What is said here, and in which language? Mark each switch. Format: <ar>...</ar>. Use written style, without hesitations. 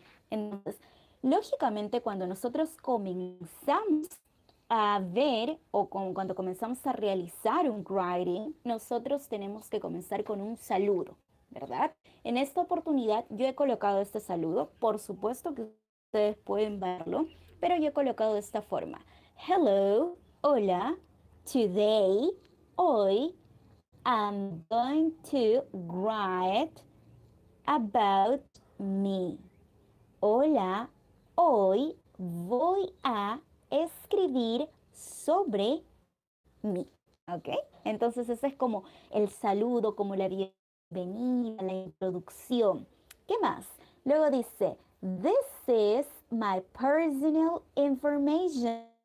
<es>Entonces, lógicamente, cuando nosotros comenzamos a ver o cuando comenzamos a realizar un writing, nosotros tenemos que comenzar con un saludo, ¿verdad? En esta oportunidad yo he colocado este saludo, por supuesto que ustedes pueden verlo, pero yo he colocado de esta forma.</es> <en>Hello,</en> <es>hola,</es> <en>today,</en> <es>hoy,</es> <en>I'm going to write about me.</en> <es>Hola, hoy voy a escribir sobre mí, ¿ok? Entonces ese es como el saludo, como la bienvenida. Venía la introducción. ¿Qué más? Luego dice,</es> <en>This is my personal information.</en>